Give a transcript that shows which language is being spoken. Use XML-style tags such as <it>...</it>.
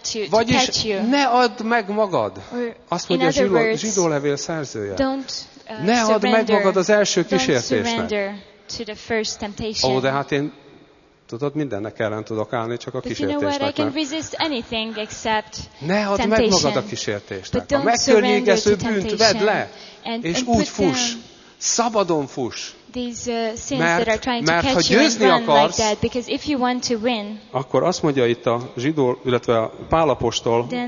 <hu>Vagyis ne add meg magad. Azt mondja a zsidó levél szerzője. Ne add meg magad az első kísértésnek.</hu> <en>To the first temptation.</en> <hu>Oh, de hát én, tudod, mindennek ellen tudok állni, csak a kísértésnek.</hu> <en>But you know what? I can resist anything except temptation.</en> <hu>Ne add meg magad a kísértésnek. A megkörnyékező bűnt vedd le, és úgy fuss. Szabadon fuss.</hu> <en>these sins</en> <hu>mert,</hu> <en>that are trying to catch you and run</en> <hu>akarsz,</hu> <en>like that, because if you want to win,</en> <hu>akkor azt mondja itt a zsidó, illetve a Pál apostol</hu>